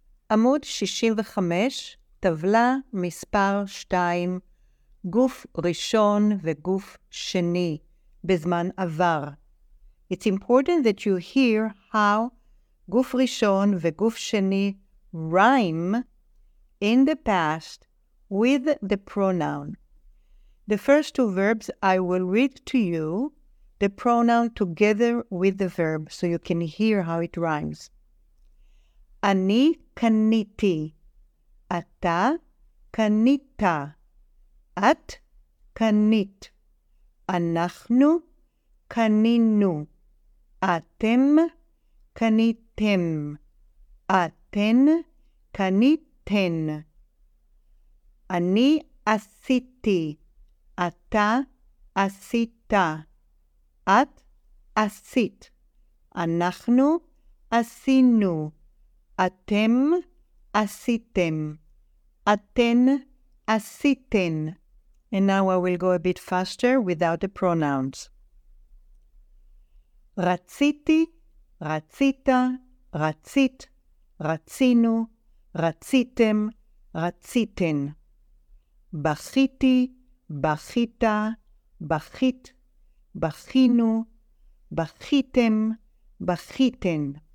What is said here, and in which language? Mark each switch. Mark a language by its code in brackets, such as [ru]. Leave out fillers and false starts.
[he] עמוד 65, טבלה מספר 2, גוף ראשון וגוף שני, בזמן עבר. [en] It's important that you hear how [he] גוף ראשון וגוף שני [en] rhyme in the past with the pronoun. The first two verbs I will read to you, the pronoun together with the verb, so you can hear how it rhymes. [he] אני קניתי, אתה קנית, את קנית, אנחנו קנינו, אתם קניתם, אתן קניתן. אני עשיתי, אתה עשית, את עשית, אנחנו עשינו, אתם עשיתם, אתן עשיתן. [en] And now I will go a bit faster without the pronouns. [he] רציתי, רצית, רצית, רצינו, רציתם, רציתן. בכיתי, בכית, בכית, בכינו, בכיתם, בכיתן.